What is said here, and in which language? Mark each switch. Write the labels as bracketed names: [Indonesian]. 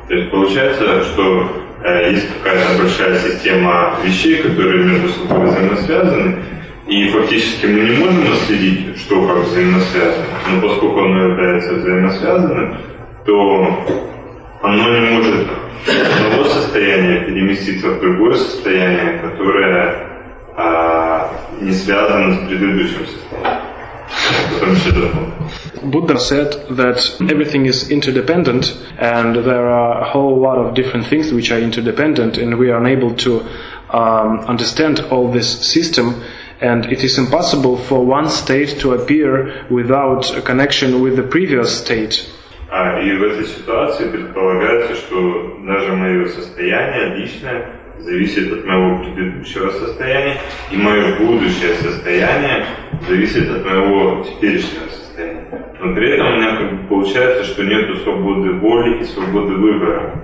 [Russian] То есть получается, что есть какая-то большая система вещей, которые между собой взаимосвязаны, и фактически мы не можем наследить, что как взаимосвязано, но поскольку оно является взаимосвязанным, то оно не может из одного состояния переместиться в другое состояние, которое не связано с предыдущим состоянием. [English] Buddha said that everything is interdependent and there are a whole lot of different things which are interdependent and we are unable to understand all this system and it is impossible for one state to appear without a connection with the previous state. [Russian] И в этой ситуации предполагается, что даже мое состояние личное зависит от моего предыдущего состояния, и мое будущее состояние зависит от моего теперешнего состояния. Но при этом у меня как бы получается, что нет свободы воли и свободы выбора.